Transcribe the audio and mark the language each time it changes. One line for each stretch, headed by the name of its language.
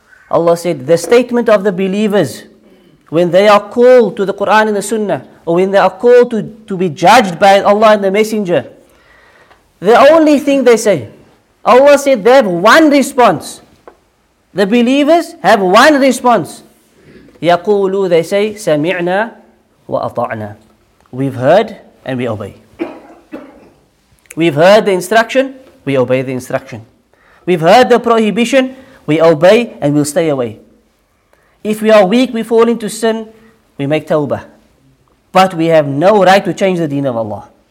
English: Allah said, the statement of the believers, when they are called to the Quran and the Sunnah, or when they are called to be judged by Allah and the Messenger, the only thing they say, Allah said they have one response. The believers have one response.
Arabic: يَقُولُوا,
English: they say,
Arabic: سَمِعْنَا وَأَطَعْنَا.
English: We've heard and we obey. We've heard the instruction, we obey the instruction. We've heard the prohibition, we obey and we'll stay away. If we are weak, we fall into sin, we make tawbah. But we have no right to change the deen of Allah.